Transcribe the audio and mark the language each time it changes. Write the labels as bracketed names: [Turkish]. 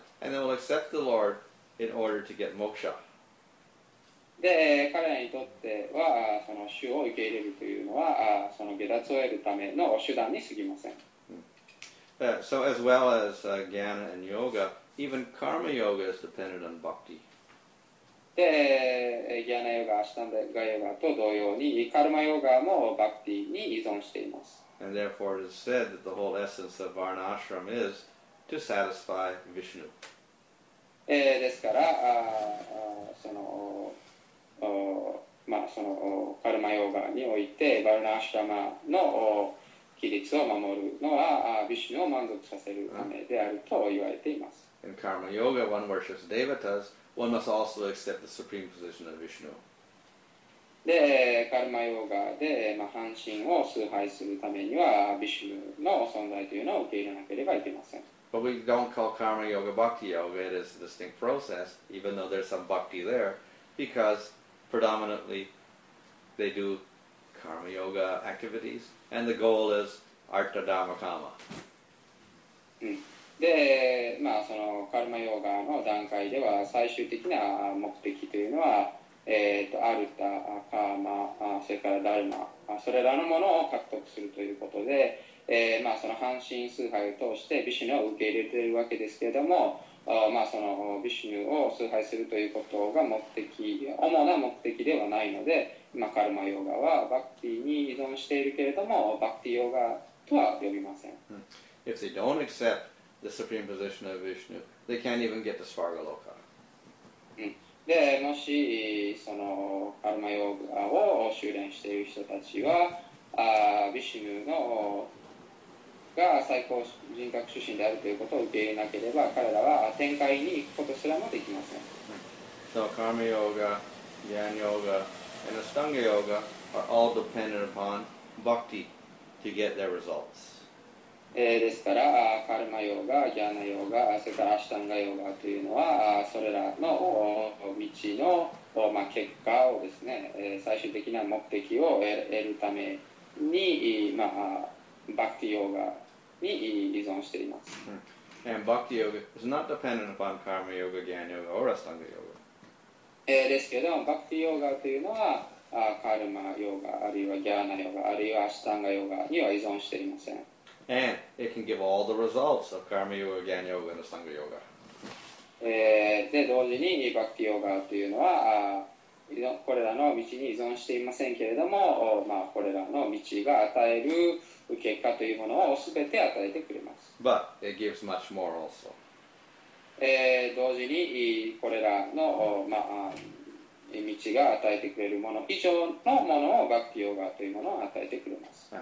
[English] And they will accept the Lord in order to get moksha. [Japanese] で、彼らにとってはその主を受け入れるというのはその解脱を得るための手段に過ぎません。 [English] So as well as jnana and yoga, even karma yoga is dependent on bhakti. [Japanese] で、jnana yoga、ashtanga yoga と同様に、karma yoga もバクティに依存しています。 [English] And therefore it is said that the whole essence of varnashram is to satisfy Vishnu. [Japanese] ですから、その、まあ、そのカルマヨーガにおいてバルナアシュラマの規律を守るのはビシュヌを満足させるためであると言われています。 [English] In karma yoga, one worships devatas, one must also accept the supreme position of Vishnu. [Japanese] で、カルマヨーガで、まあ、半身を崇拝するためにはビシュヌの存在というのを受け入れなければいけません。 [English] But we don't call karma yoga bhakti yoga. It is a distinct process, even though there's some bhakti there, becausePredominantly, they do karma yoga activities, and the goal is artha dharma kama. [Japanese] で、まあそのカルマヨガの段階では最終的な目的というのは、アルタ、カーマ、それからダルマ、それらのものを獲得するということで、まあその半身崇拝を通してビシュヌを受け入れているわけですけれども。まあ、そのビシュヌを崇拝するということが目的、主な目的ではないので、まあ、カルマヨガはバクティに依存しているけれども、バクティヨガとは呼びません。 [English] If they don't accept the supreme position of Vishnu, they can't even get to Svarga Loka. [Japanese] で、もしそのカルマヨガを修練している人たちは、ビシュヌのが最高人格出身であるということを受け入れなければ、彼らは天界に行くことすらもできません。 [English] So, karma yoga, jnana yoga, and ashtanga yoga are all dependent upon bhakti to get their results. [Japanese] ですから、カルマヨガ、ジャーナヨガ、それからアシュタンガヨガというのは、それらの道の、まあ、結果をですね、最終的な目的を得るために、まあ、Bhakti Yoga に依存しています。 [English] And Bhakti Yoga is not dependent upon Karma Yoga, Jnana Yoga, or Ashtanga Yoga. [Japanese] ですけど、Bhakti Yoga というのは、Karma Yoga, あるいは Jnana Yoga, あるいは Ashtanga Yoga には依存していません。 [English] And it can give all the results of Karma Yoga, Jnana Yoga, and Ashtanga Yoga. [Japanese] で、同時に Bhakti Yoga というのは、これらの道に依存していませんけれども、まあ、これらの道が与える結果というものを全て与えてくれます。 [English] But it gives much more also. [Japanese] 同時にこれらの、まあ、道が与えてくれるもの以上のものをバクティヨガというものを与えてくれます。